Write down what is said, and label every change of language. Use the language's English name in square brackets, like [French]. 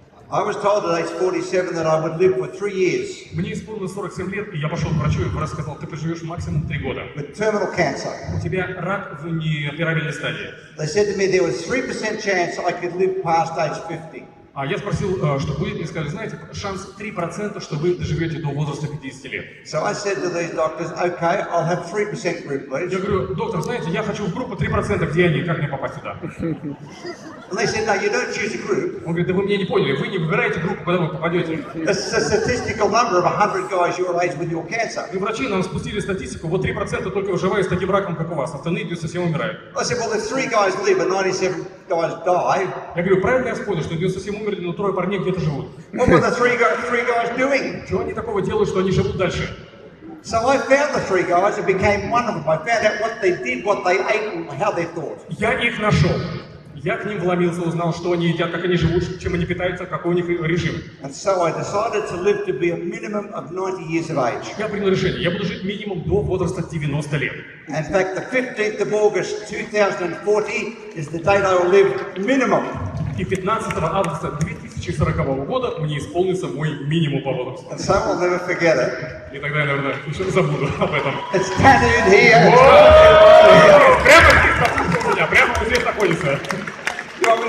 [English] I was told at age 47 that I would live for 3 years. [Russian] Мне исполнилось 47 лет, и я пошел к врачу, и врач сказал, ты проживешь максимум 3 года. [English] With terminal cancer. [Russian] У тебя рак в неоперабельной стадии. [English] They said to me there was 3% chance I could live past age 50. [Russian] Я спросил, что будет, мне сказали, знаете, шанс 3%, что вы доживете до возраста 50 лет. [English] So I said to these doctors, okay, I'll have 3% group, please. [Russian] Я говорю, доктор, знаете, я хочу в группу 3%, где они, как мне попасть сюда? [English] And they said, no, you don't choose a group. [Russian] Он говорит, да вы меня не поняли, вы не выбираете группу, куда вы попадете. [English] It's a statistical number of 100 guys your age with your cancer. [Russian] И врачи нам спустили статистику, вот 3% только выживают с таким раком, как у вас, остальные 97 умирают. [English] I said, well, if 3 guys live and 97 guys die. [Russian] Я говорю, правильно я вспомнил, что 97 умерли, но трое парней где-то живут. [English] What were the three guys doing? [Russian] Чего они такого делают, что они живут дальше? [English] So I found the three guys and became one of them. I found out what they did, what they ate, and how they thought. [Russian] Я их нашел. Я к ним вломился, узнал, что они едят, как они живут, чем они питаются, какой у них режим. [English] And so I decided to live to be a minimum of 90 years of age. [Russian] Я принял решение, я буду жить минимум до возраста 90 лет. [English] In fact, the 15th of August 2040 is the date I will live minimum. [Russian] И 15 августа 2040 года мне исполнится мой минимум по возрасту. [English] And so I'll never forget it. [Russian] И тогда я, наверное, еще забуду об этом. [English] It's tattooed here. [Russian] Прямо здесь находится. Прямо вот здесь находится.